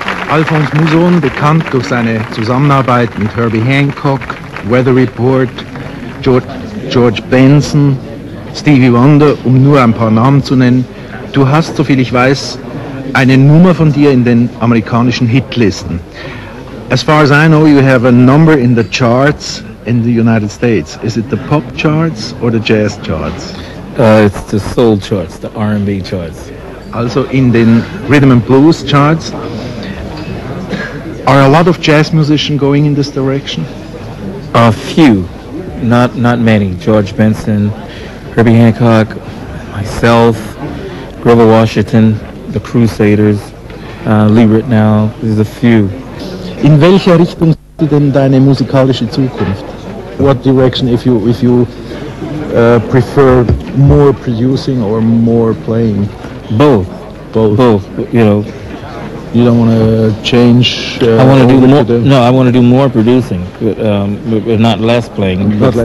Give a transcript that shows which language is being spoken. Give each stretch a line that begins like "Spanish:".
German: Alphonse Mouzon, bekannt durch seine Zusammenarbeit mit Herbie Hancock, Weather Report, George Benson, Stevie Wonder, um nur ein paar Namen zu nennen. Du hast, soviel ich weiß, eine Nummer von dir in den amerikanischen Hitlisten.
English: As far as I know, you have a number in the charts in the United States. Is it the pop charts or the jazz charts? It's the soul charts, the R&B charts.
German: Also in den Rhythm and Blues charts.
English: Are a lot of jazz musicians going in this direction? A few, not many. George Benson, Herbie Hancock, myself, Grover Washington, The Crusaders, Lee Ritenour, there's a few.
German: In welcher Richtung siehst du denn deine musikalische Zukunft?
English: What direction, if you prefer more producing or more playing? Both. You know, you don't want to change. I want to do more. No, I want to do more producing, but not less playing.